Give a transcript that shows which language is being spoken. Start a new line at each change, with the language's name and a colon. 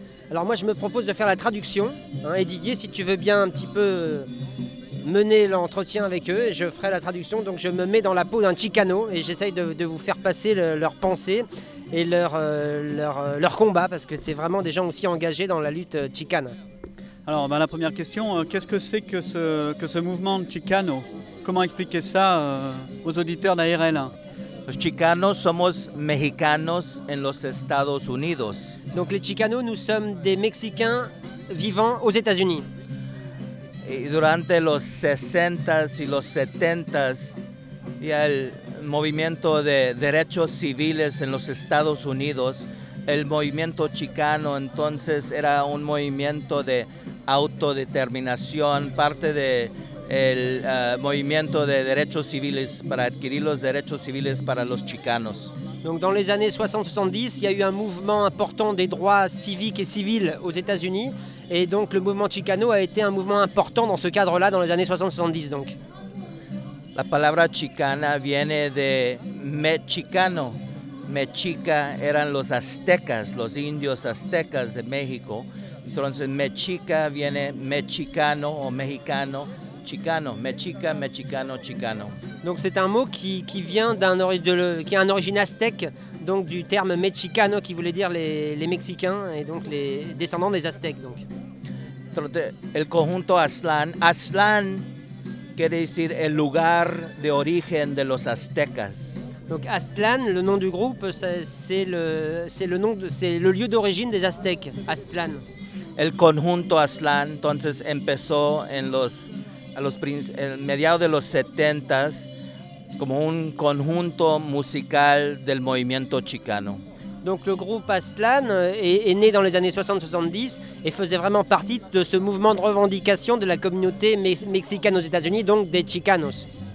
French: Alors moi je me propose de faire la traduction, hein, et Didier si tu veux bien un petit peu mener l'entretien avec eux, je ferai la traduction, donc je me mets dans la peau d'un Chicano et j'essaye de vous faire passer leurs pensées et leur combat, parce que c'est vraiment des gens aussi engagés dans la lutte Chicana. Alors ben, la première question, qu'est-ce que c'est que ce mouvement Chicano? Comment expliquer ça aux auditeurs d'ARL?
Spanish: Los Chicanos somos mexicanos en los Estados Unidos.
French: Donc les Chicanos, nous sommes des Mexicains vivant aux États-Unis.
Spanish: Y durante los 60s y los 70s, y el movimiento de derechos civiles en los Estados Unidos, el movimiento Chicano entonces era un movimiento de autodeterminación, parte de el movimiento de derechos civiles para adquirir los derechos civiles para los chicanos.
French: Donc dans les années 60-70, il y a eu un mouvement important des droits civiques et civils aux États-Unis, et donc le mouvement chicano a été un mouvement important dans ce cadre-là dans les années 60-70 donc.
Spanish: La palabra chicana viene de mexicano. Mexica eran los aztecas, los indios aztecas de México. Entonces mexica viene mexicano o mexicano. Chicano, mexica, mexicano, chicano.
French: Donc c'est un mot qui vient d'un qui a une origine aztèque, donc du terme mexicano qui voulait dire les Mexicains et donc les descendants des Aztèques. Donc.
Spanish: El conjunto Aztlán, Aztlán quiere decir el lugar de origen de los aztecas.
French: Donc Aztlán, le nom du groupe, c'est le lieu d'origine des Aztèques, Aztlán.
Spanish: El conjunto Aztlán, entonces empezó en los mediados de los 70s, como un conjunto musical del movimiento chicano.
French: Donc le groupe Aztlán est né dans les années 60-70 et faisait vraiment partie de ce mouvement de revendication de la communauté mexicaine aux États-Unis, donc des chicanos.